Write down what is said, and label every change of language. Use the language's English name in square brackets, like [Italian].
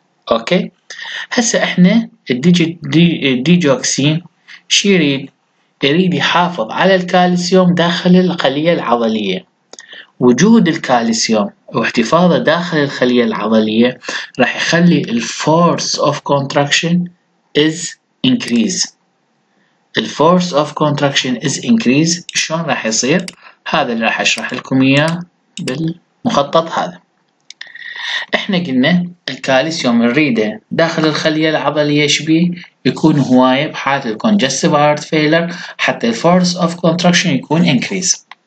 [Arabic] اوكي، هسه احنا الديجوكسين شو يريد؟ يريد يحافظ على الكالسيوم داخل الخلية العضلية. وجود الكالسيوم واحتفاظه داخل الخلية العضلية راح يخلي [English] الفورس of contraction is increase. The force of contraction is increased. [Arabic] شلون راح يصير؟ هذا اللي راح اشرح لكم اياه بالمخطط هذا. احنا قلنا الكالسيوم الريده داخل الخليه العضليه شبيه يكون هوايه بحاله الكونجستيف هارت فيلر، حتى [English] the force of contraction [Arabic] يكون increased.